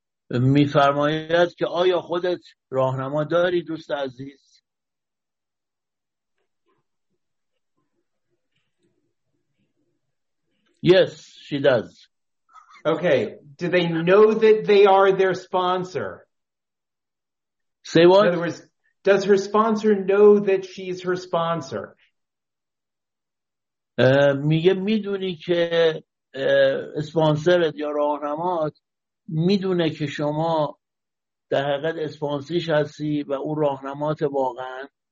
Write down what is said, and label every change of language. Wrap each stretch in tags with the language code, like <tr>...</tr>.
<fa>میفرماید که آیا خودت راهنما داری دوست عزیز؟</fa> <en>Yes, she does. Okay, do they know that they are their sponsor? Say what? In other words, does her sponsor know that she's her sponsor?</en> <fa>میگه میدونی که اسپانسرت یا راهنمات میدونه که شما در حقیقت اسپانسیش هستی و او راهنمات واقعا.</fa>